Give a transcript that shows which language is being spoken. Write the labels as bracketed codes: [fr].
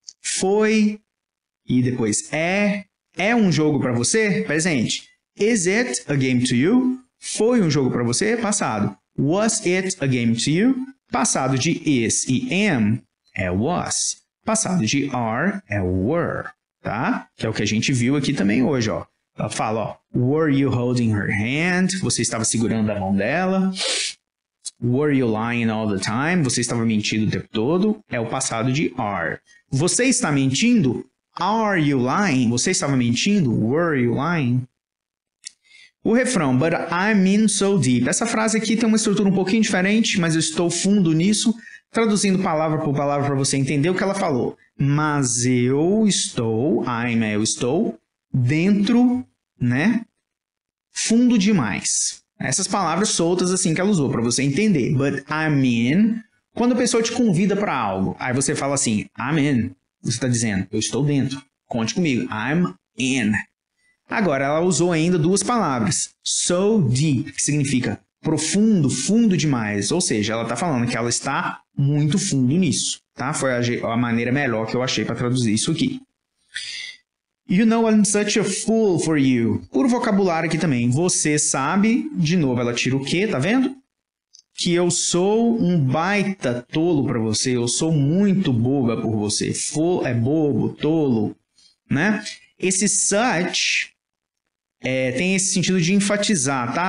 [pt] Foi e depois é um jogo para você? Presente. [en] Is it a game to you? [pt] Foi um jogo para você? Passado. [en] Was it a game to you? [pt] Passado de is e am é was. Passado de are é were, tá? Que é o que a gente viu aqui também hoje, ó. Ela fala, ó, [en] were you holding her hand? [pt] Você estava segurando a mão dela. [en] Were you lying all the time? [pt] Você estava mentindo o tempo todo? É o passado de are. Você está mentindo? [en] Are you lying? [pt] Você estava mentindo? [en] Were you lying? [pt] O refrão, [en] but I'm in so deep. [pt] Essa frase aqui tem uma estrutura um pouquinho diferente, mas eu estou fundo nisso, traduzindo palavra por palavra para você entender o que ela falou. Mas eu estou, I'm, eu estou, dentro, né? Fundo demais. Essas palavras soltas assim que ela usou para você entender. [en] But I'm in, [pt] quando a pessoa te convida para algo, aí você fala assim, I'm in. Você está dizendo, eu estou dentro. Conte comigo, [en] I'm in. [pt] Agora, ela usou ainda duas palavras, [en] so deep, [pt] que significa profundo, fundo demais. Ou seja, ela está falando que ela está muito fundo nisso. Tá? Foi a maneira melhor que eu achei para traduzir isso aqui. [en] You know I'm such a fool for you. [pt] Puro vocabulário aqui também. Você sabe, de novo, ela tira o quê, tá vendo? Que eu sou um baita tolo para você. Eu sou muito boba por você. Fool é bobo, tolo, né? Esse such é, tem esse sentido de enfatizar, tá?